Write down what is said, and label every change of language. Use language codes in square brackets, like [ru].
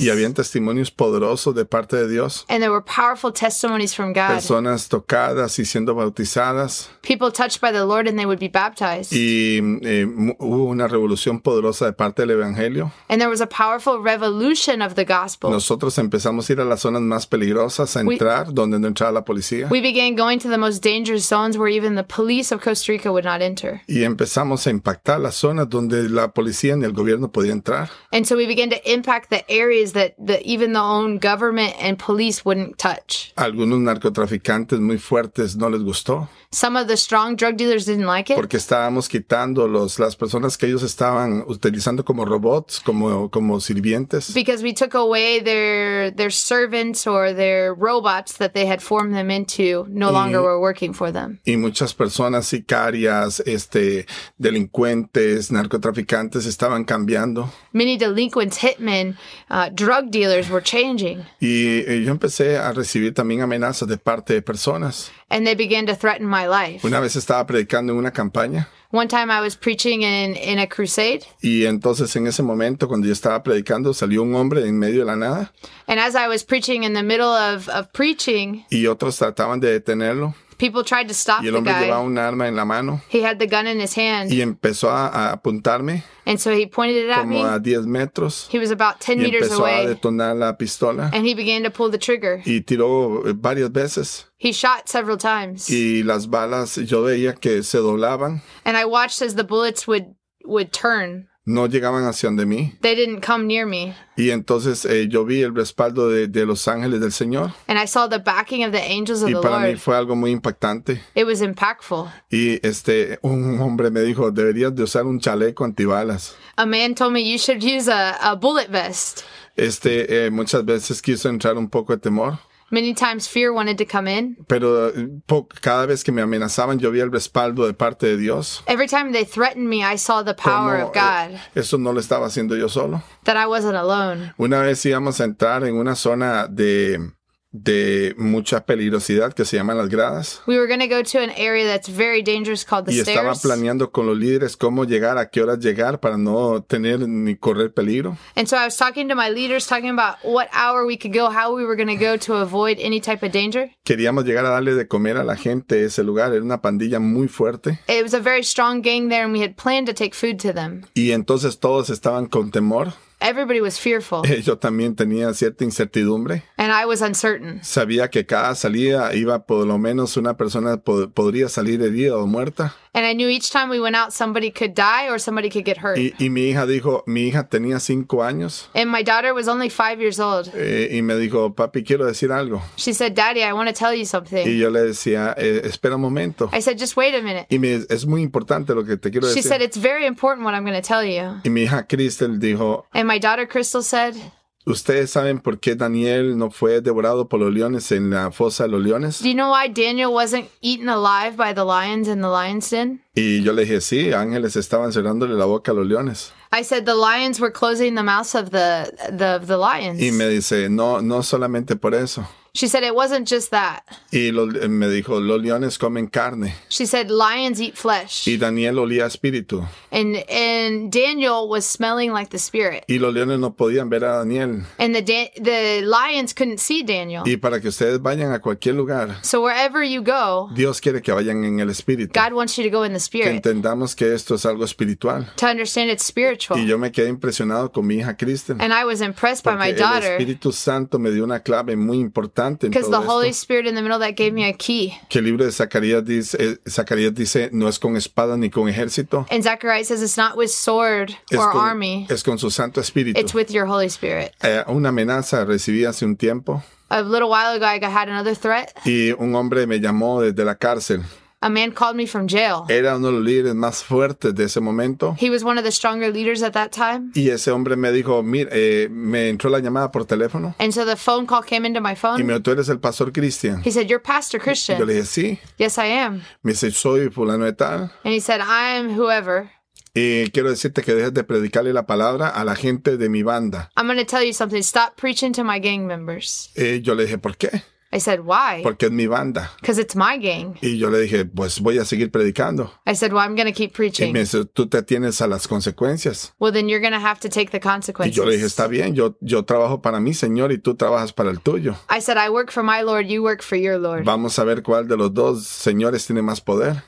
[es] Y habían testimonios poderosos de parte de Dios. [en] And there were powerful testimonies from God. [es] Personas tocadas y siendo bautizadas. [en] People touched by the Lord and they would be baptized. [es] Y hubo una revolución poderosa de parte del Evangelio. [en] And there was a powerful revolution of the gospel. [es] Nosotros empezamos a ir a las zonas más peligrosas a entrar, donde no entraba la policía. [en] We began going to the most dangerous zones where even the police of Costa Rica would not enter. [es] Y empezamos a impactar las zonas donde la policía ni el gobierno podía entrar. [en] And so we began to impact the areas that even the own government and police wouldn't touch. [es] Algunos narcotraficantes muy fuertes no les gustó. [en] Some of the strong drug dealers didn't like it. [es] Porque estábamos quitando las personas que ellos estaban utilizando como robots, como sirvientes. [en] Because we took away their servants or their robots that they had formed them into no longer were working for them. [es] Y muchas personas sicarias, delincuentes, narcotraficantes estaban cambiando. [en] Many delinquents, hitmen, drug dealers were changing. [es] Y yo empecé a recibir también amenazas de parte de personas. [en] And they began to threaten my life. [es] Una vez estaba predicando en una campaña. [en] One time I was preaching in a crusade. [es] Y entonces en ese momento cuando yo estaba predicando salió un hombre en medio de la nada. [en] And as I was preaching in the middle of preaching. [es] Y otros trataban de detenerlo. [en] People tried to stop the guy. [es] Y el hombre llevaba un arma en la mano. [en] He had the gun in his hand. [es] Y empezó a apuntarme. [en] And so he pointed it at me. [es] Como a 10 metros. [en] He was about 10 meters away. [es] Y empezó a detonar la pistola. [en] And he began to pull the trigger. [es] Y tiró varias veces. [en] He shot several times. [es] Y las balas yo veía que se doblaban. [en] And I watched as the bullets would turn. [es] no llegaban hacia donde mí. [en] They didn't come near me. [es] Y entonces yo vi el respaldo de los ángeles del Señor. [en] And I saw the backing of the angels of the Lord. [es] Y para mí fue algo muy impactante. [en] It was impactful. [es] Y un hombre me dijo, deberías de usar un chaleco antibalas. [en] A man told me you should use a bullet vest. [es] Muchas veces quiso entrar un poco de temor. [en] Many times fear wanted to come in. [es] Pero cada vez que me amenazaban, yo vi el respaldo de parte de Dios. [en] Every time they threatened me, I saw the power of God. [es] Eso no lo estaba haciendo yo solo. [en] That I wasn't alone. [es] Una vez íbamos a entrar en una zona de mucha peligrosidad que se llama las gradas. [en] We were going to go to an area that's very dangerous called the [es] stairs. Y estaba planeando con los líderes cómo llegar, a qué horas llegar para no tener ni correr peligro. [en] And so I was talking to my leaders, talking about what hour we could go, how we were going to go to avoid any type of danger. [es] Queríamos llegar a darle de comer a la gente de ese lugar. Era una pandilla muy fuerte. [en] It was a very strong gang there and we had planned to take food to them. [es] Y entonces todos estaban con temor. [en] Everybody was fearful. [es] Yo también tenía cierta incertidumbre. [en] And I was uncertain. [es] Sabía que cada salida iba por lo menos una persona podría salir herida o muerta. [en] And I knew each time we went out, somebody could die or somebody could get hurt. [es] Y mi hija dijo, mi hija tenía 5 años. [en] And my daughter was only 5 years old. [es] Y me dijo, papi, quiero decir algo. [en] She said, Daddy, I want to tell you something. [es] Y yo le decía, espera un momento. [en] I said, just wait a minute. [es] Y es muy importante lo que te quiero [en] she [es] decir. [en] She said, it's very important what I'm going to tell you. [es] Y mi hija Crystal dijo. [en] And my daughter Crystal said. [es] ¿Ustedes saben por qué Daniel no fue devorado por los leones en la fosa de los leones? [en] Do you know why Daniel wasn't eaten alive by the lions in the lion's den? [es] Y yo le dije, sí, ángeles estaban cerrándole la boca a los leones. [en] I said, the lions were closing the mouths of the lions. [es] Y me dice, no solamente por eso. [en] She said, it wasn't just that. [es] Y me dijo, los leones comen carne. [en] She said, lions eat flesh. [es] Y Daniel olía espíritu. [en] And Daniel was smelling like the spirit. [es] Y los leones no podían ver a Daniel. [en] And the lions couldn't see Daniel. [es] Y para que ustedes vayan a cualquier lugar. [en] So wherever you go. [es] Dios quiere que vayan en el espíritu. [en] God wants you to go in the spirit. [es] Que entendamos que esto es algo espiritual. [en] To understand it's spiritual. [es] Y yo me quedé impresionado con mi hija Kristen. [en] And I was impressed by my daughter. [es] Porque el Espíritu Santo me dio una clave muy importante. [en] Because the Holy Spirit in the middle that gave me a key. [es] Que el libro de Zacarías dice no es con espada ni con ejército. [en] And Zechariah says it's not with sword or army. [es] Es con su Santo Espíritu. [en] It's with your Holy Spirit. [es] Una amenaza recibí hace un tiempo. [en] A little while ago I had another threat. [es] Y un hombre me llamó desde la cárcel. [en] A man called me from jail. [es] Era uno de los líderes más fuertes de ese momento. [en] He was one of the stronger leaders at that time. [es] Y ese hombre me dijo, me entró la llamada por teléfono. [en] And so the phone call came into my phone. [es] Y me dijo, tú eres el pastor Christian. [en] He said, you're Pastor Christian. [es] Y yo le dije, sí. [en] Yes, I am. [es] Me dice, soy fulano de tal. [en] And he said, I am whoever. [es] Y quiero decirte que dejes de predicarle la palabra a la gente de mi banda. [en] I'm going to tell you something. Stop preaching to my gang members. [es] Y yo le dije, ¿por qué? [en] I said, why? [es] Porque es mi banda. [en] Because it's my gang. [es] Y yo le dije, pues voy a seguir predicando. [en] I said, well, I'm going to keep preaching. [es] Y me dice, tú te tienes a las consecuencias. [en] Well, then you're going to have to take the consequences. [es] Y yo le dije, está bien, yo trabajo para mi Señor y tú trabajas para el tuyo. [en] I said, I work for my Lord, you work for your Lord. [es] Vamos a ver cuál de los dos señores tiene más poder.